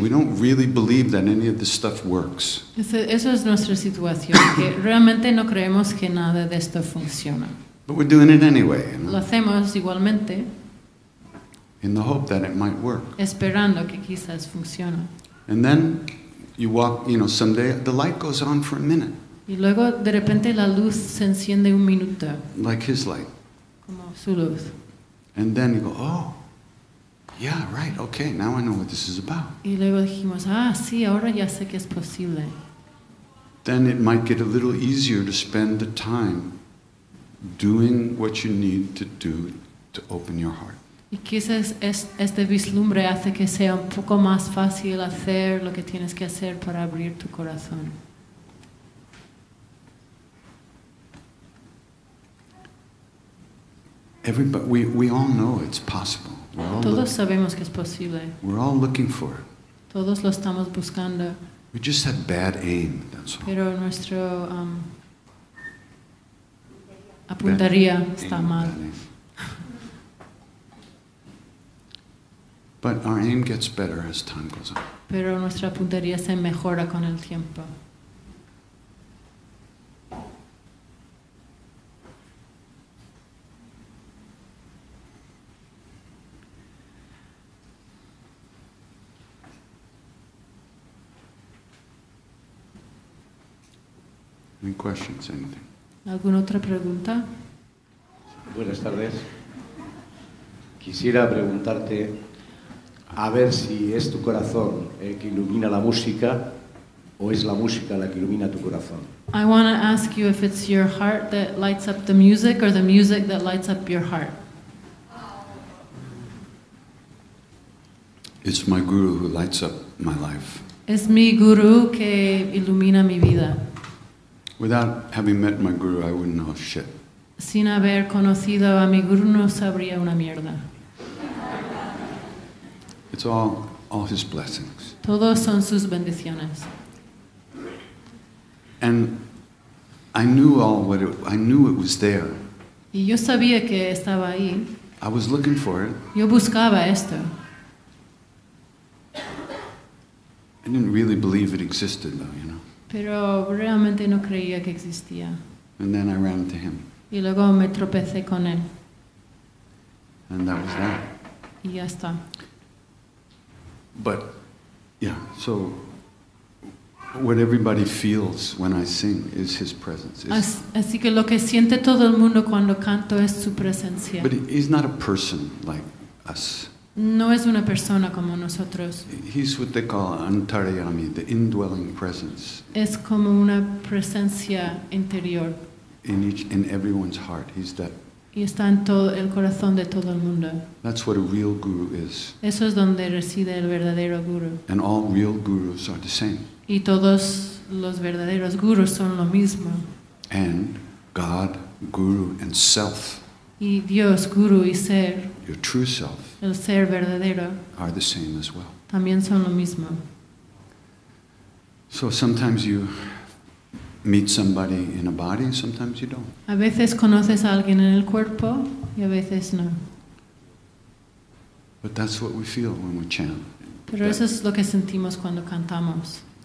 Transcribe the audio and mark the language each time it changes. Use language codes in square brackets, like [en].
[en] We don't really believe that any of this stuff works. [es] Eso es nuestra situación, que realmente no creemos que nada de esto funciona. [en] But we're doing it anyway. You know? [es] Lo hacemos igualmente. [en] In the hope that it might work. [es] Esperando que quizás funcione. [en] And then you walk, you know, someday the light goes on for a minute. [es] Y luego de repente la luz se enciende un minuto. [en] Like his light. [es] Como su luz. [en] And then you go, oh, yeah, right, okay, now I know what this is about. [es] Y luego dijimos, ah, sí, ahora ya sé que es posible. [en] Then it might get a little easier to spend the time doing what you need to do to open your heart. [es] Y quizás este vislumbre hace que sea un poco más fácil hacer lo que tienes que hacer para abrir tu corazón. [en] Everybody, we all know it's possible. [es] Todos sabemos que es posible. [en] We're all looking for it. [es] Todos lo estamos buscando. [en] We just have bad aim, that's all. [es] Pero nuestro apuntaría bad está aim, mal. [en] But our aim gets better as time goes on. [es] Pero nuestra puntería se mejora con el tiempo. [en] Any questions, anything? [es] ¿Alguna otra pregunta? Buenas tardes. Quisiera preguntarte a ver si es tu corazón el que ilumina la música o es la música la que ilumina tu corazón. [en] I want to ask you if it's your heart that lights up the music or the music that lights up your heart. It's my guru who lights up my life. [es] Es mi guru que ilumina mi vida. [en] Without having met my guru, I wouldn't know shit. [es] Sin haber conocido a mi guru, no sabría una mierda. [en] It's all his blessings. [es] Todos son sus bendiciones. [en] And I knew all what it, I knew it was there. [es] Y yo sabía que estaba ahí. [en] I was looking for it. [es] Yo buscaba esto. [en] I didn't really believe it existed, though, you know. [es] Pero realmente no creía que existía. [en] And then I ran to him. [es] Y luego me tropecé con él. [en] And that was that. [es] Y ya está. [en] But, yeah, so what everybody feels when I sing is his presence. [es] Así que lo que siente todo el mundo cuando canto es su presencia. [en] But he's not a person like us. [es] No es una persona como nosotros. [en] He's what they call antaryami, the indwelling presence. [es] Es como una presencia interior. [en] In everyone's heart, he's that. [es] Y está en todo el corazón de todo el mundo. [en] That's what a real guru is. [es] Eso es donde reside el verdadero guru. [en] And all real gurus are the same. [es] Y todos los verdaderos gurus son lo mismo. [en] And God, guru, and self. [es] Y Dios, guru y ser. [en] Your true self. [es] El ser verdadero. [en] Are the same as well. [es] También son lo mismo. [en] So sometimes you meet somebody in a body, sometimes you don't. [es] A veces conoces a alguien en el cuerpo y a veces no. [en] But that's what we feel when we chant. [es] Pero eso es lo que sentimos cuando cantamos.